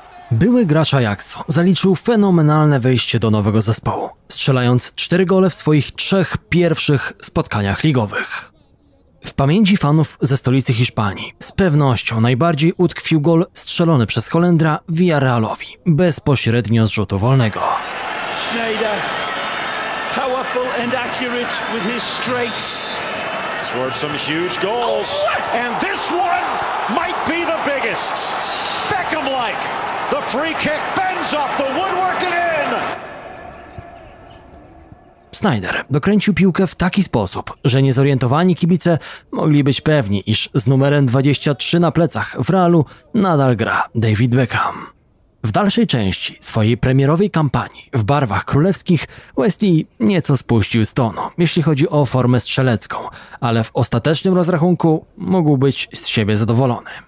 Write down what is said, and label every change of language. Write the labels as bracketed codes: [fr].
[pl] Były gracz Ajaxu zaliczył fenomenalne wejście do nowego zespołu, strzelając 4 gole w swoich 3 pierwszych spotkaniach ligowych. W pamięci fanów ze stolicy Hiszpanii z pewnością najbardziej utkwił gol strzelony przez Holendra Villarrealowi bezpośrednio z rzutu wolnego. [en] Schneider, powerful and accurate with his strikes. Scored some huge goals. And this one might be the biggest. Beckham-like. The free kick bends off the woodwork and in. [pl] Snyder dokręcił piłkę w taki sposób, że niezorientowani kibice mogli być pewni, iż z numerem 23 na plecach w Realu nadal gra David Beckham. W dalszej części swojej premierowej kampanii w barwach królewskich Wesley nieco spuścił z tonu, jeśli chodzi o formę strzelecką, ale w ostatecznym rozrachunku mógł być z siebie zadowolony.